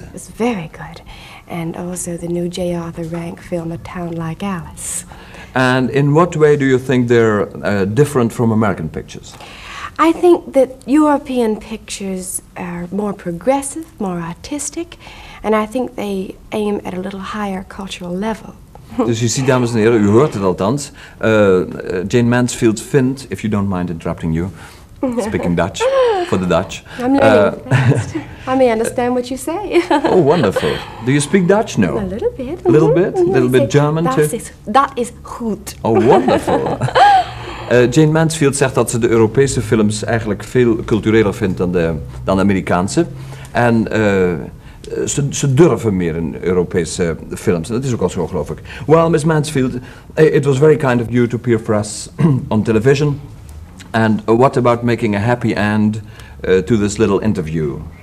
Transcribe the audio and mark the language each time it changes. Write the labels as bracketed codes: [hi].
[en] It was very good. And also the new J. Arthur Rank film, A Town Like Alice. And in what way do you think they're different from American pictures? I think that European pictures are more progressive, more artistic, and I think they aim at a little higher cultural level. [nl] Dus je ziet, dames en heren, u hoort het althans. [en] Jayne Mansfield vindt, if you don't mind interrupting you, speaking Dutch, for the Dutch. I'm learning fast. I may understand what you say. Oh, wonderful. Do you speak Dutch? No. A little bit. A little bit? A little bit German, too? That is goed. Oh, wonderful. [nl] Jayne Mansfield zegt dat ze de Europese films eigenlijk veel cultureler vindt dan de Amerikaanse. En ze durven meer in Europese films. En dat is ook al zo, geloof ik. [en] Well, Miss Mansfield, it was very kind of you to appear for us on television. And what about making a happy end to this little interview?